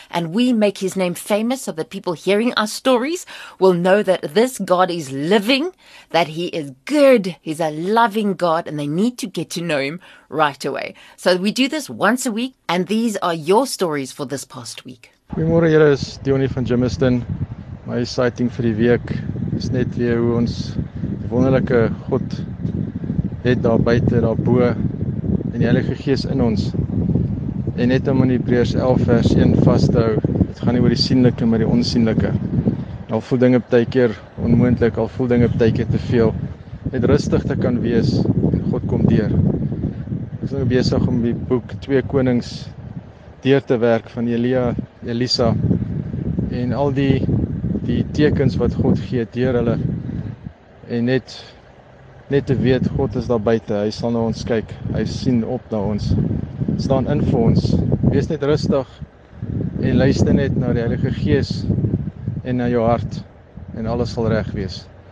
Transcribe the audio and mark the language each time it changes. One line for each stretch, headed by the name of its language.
English: And we make his name famous. So that people hearing our stories will know that this God is living, that he is good, he's a loving God, and they need to get to know him right away. So we do this once a week, and these are your stories for this past week. Goeiemôre, here is Dionie van Jimiston. My sighting for the week is
Afrikaans: net weer hoe ons wonderlijke God het daar buiten, daar boe, en die Heilige Geest in ons. En net om in Hebreërs 11 vers 1 vast te hou, het gaan nie oor die sienlike, maar die onsienlike. Al voel dinge baie keer onmoontlik, al voel dinge baie keer te veel. Net rustig te kan wees, en God kom deur. Ek is nou besig om die boek 2 Konings deur te werk van Elia, Elisa, en al die tekens wat God gee deur hulle, en net te weet, God is daar buite, hy sal na ons kyk, hy sien op na ons, staan in vir ons, wees net rustig, en luister net na die Heilige Gees en na jou hart en alles sal reg wees.